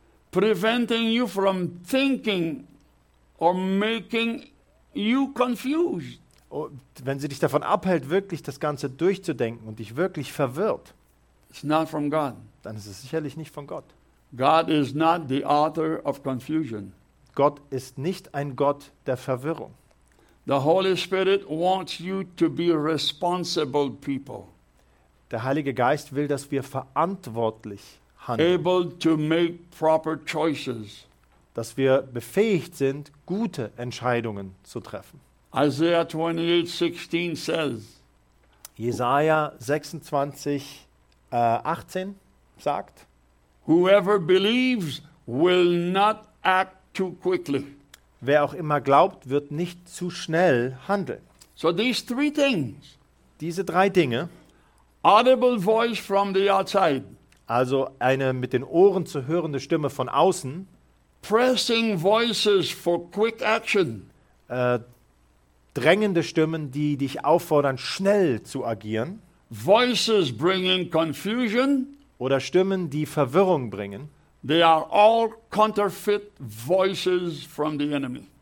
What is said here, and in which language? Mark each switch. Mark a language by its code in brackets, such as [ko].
[en] Preventing you from thinking or making you confused. [de] Wenn sie dich davon abhält, wirklich das Ganze durchzudenken und dich wirklich verwirrt, [en] it's not from God. [de] Dann ist es sicherlich nicht von Gott. [en] God is not the author of confusion. [de] Gott ist nicht ein Gott der Verwirrung. [en] The Holy Spirit wants you to be responsible people. [de] Der Heilige Geist will, dass wir verantwortlich handeln. [en] Able to make proper choices. [de] Dass wir befähigt sind, gute Entscheidungen zu treffen. [en] Isaiah 28:16 says. [de] Jesaja 26, 18 sagt. [en] Whoever believes will not act too quickly. [de] Wer auch immer glaubt, wird nicht zu schnell handeln. [en] So these three things. [de] Diese drei Dinge. [en] Audible voice from the outside. [de] Also eine mit den Ohren zu hörende Stimme von außen. [en] Pressing voices for quick action. [de] Drängende Stimmen, die dich auffordern, schnell zu agieren. [en] Voices bringing confusion. [de] Oder Stimmen, die Verwirrung bringen. [en] They are all counterfeit voices from the enemy.